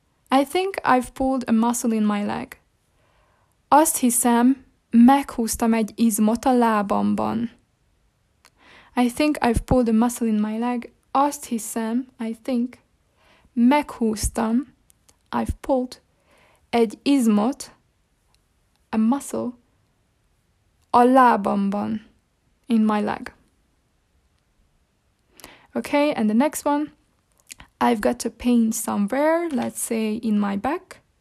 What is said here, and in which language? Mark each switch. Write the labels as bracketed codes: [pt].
[en] I think I've pulled a muscle in my leg. [hu] Azt hiszem, meghúztam egy izmot a lábamban. [en] I think I've pulled a muscle in my leg. [hu] Azt hiszem, [en] I think, [hu] meghúztam, [en] I've pulled, [hu] egy izmot, [en] a muscle, [hu] a lábamban, [en] in my leg. Okay, and the next one. I've got a pain somewhere, let's say in my back.